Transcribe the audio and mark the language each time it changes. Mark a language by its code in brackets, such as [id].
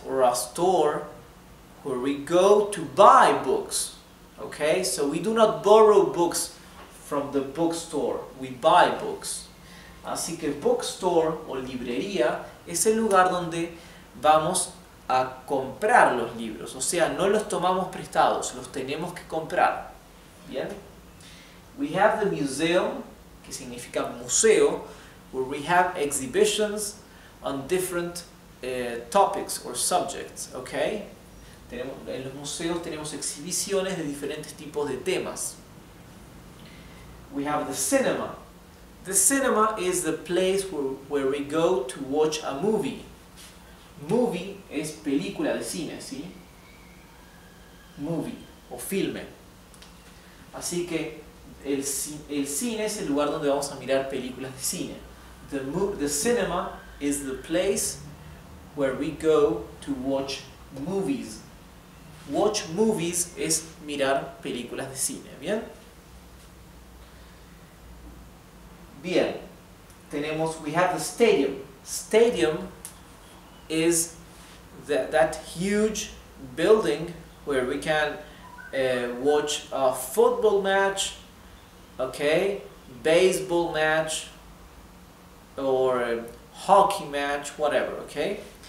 [en] Or a store where we go to buy books. Okay? So we do not borrow books from the bookstore. We buy books. [es] Así que bookstore o librería es el lugar donde vamos a comprar los libros. O sea, no los tomamos prestados, los tenemos que comprar. ¿Bien? [en] We have the museum, [es] que significa museo, [en] where we have exhibitions on different topics or subjects, okay? [es] En los museos tenemos exhibiciones de diferentes tipos de temas. [en] We have the cinema. The cinema is the place where we go to watch a movie. [es] Movie es película de cine, ¿sí? Movie o filme. Así que el cine es el lugar donde vamos a mirar películas de cine. [en] The cinema is the place where we go to watch movies. Watch movies [es] es mirar películas de cine, ¿bien? Bien. [en] We have the stadium. Stadium is that huge building where we can watch a football match, okay, baseball match, or a hockey match, whatever, okay?